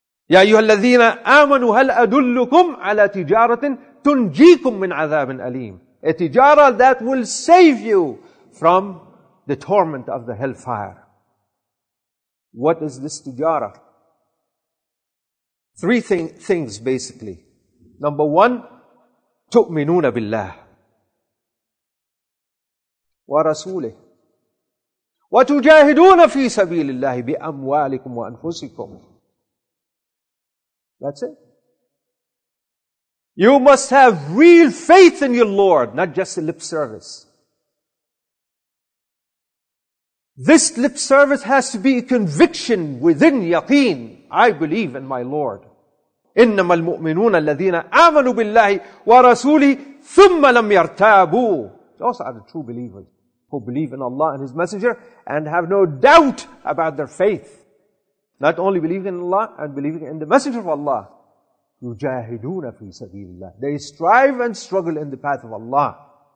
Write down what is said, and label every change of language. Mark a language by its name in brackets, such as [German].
[Arabic] يَا أَيُّهَا الَّذِينَ آمَنُوا هَلْ أَدُلُّكُمْ عَلَىٰ تِجَارَةٍ تُنْجِيكُمْ مِنْ عَذَابٍ أَلِيمٍ. [English] A tijara that will save you from the torment of the hellfire. What is this tijara? Three things basically. Number one, [Arabic] تؤمنون بالله ورسوله وتجاهدون في سبيل الله بأموالكم وأنفسكم. [English] That's it. You must have real faith in your Lord, not just a lip service. This lip service has to be a conviction within yaqeen. I believe in my Lord. [Arabic] إنما المؤمنون الذين آمنوا بالله ورسوله ثم لم يرتابوا [English] Those are the true believers who believe in Allah and His Messenger and have no doubt about their faith. Not only believing in Allah and believing in the Messenger of Allah. [Arabic] يُجَاهِدُونَ فِي سَبِيلِ اللَّهِ [English] They strive and struggle in the path of Allah